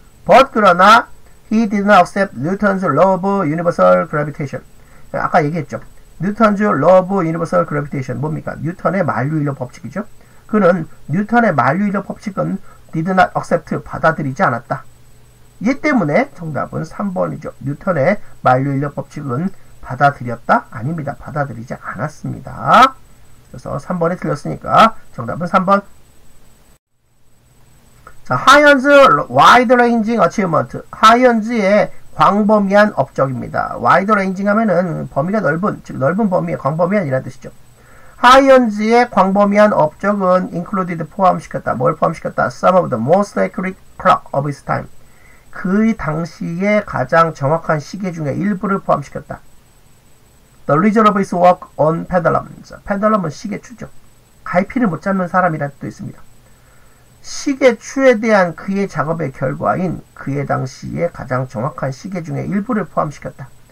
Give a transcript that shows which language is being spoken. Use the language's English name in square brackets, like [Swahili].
[English] But [Korean] 그러나 [English] he did not accept Newton's law of universal gravitation. [Korean] 아까 얘기했죠. [English] Newton's law of universal gravitation. [Korean] 뭡니까? 뉴턴의 만유인력 법칙이죠. 그는 뉴턴의 만유인력 법칙은 [English] did not accept, [Korean] 받아들이지 않았다. 이 때문에 정답은 3번이죠. 뉴턴의 만유인력 법칙은 받아들였다? 아닙니다. 받아들이지 않았습니다. 그래서 3번이 틀렸으니까 정답은 3번. [English] 자, Hyons wide ranging achievement. [Korean] Hyons의 광범위한 업적입니다. [English] wide ranging [Korean] 하면은 범위가 넓은, 즉 넓은 범위의 광범위한 이란 뜻이죠. Hyons의 광범위한 업적은 [English] included [Korean] 포함시켰다. 뭘 포함시켰다? [English] Some of the most accurate clock of his time. [Korean] 그 당시에 가장 정확한 시계 중에 일부를 포함시켰다. [English] The result of his work on pendulums. [Korean] Pendulum은 시계추죠. 갈피를 못 잡는 사람이란 뜻도 있습니다. 시계추에 대한 그의 작업의 결과인 그의 당시에 가장 정확한 시계 중에 일부를 포함시켰다.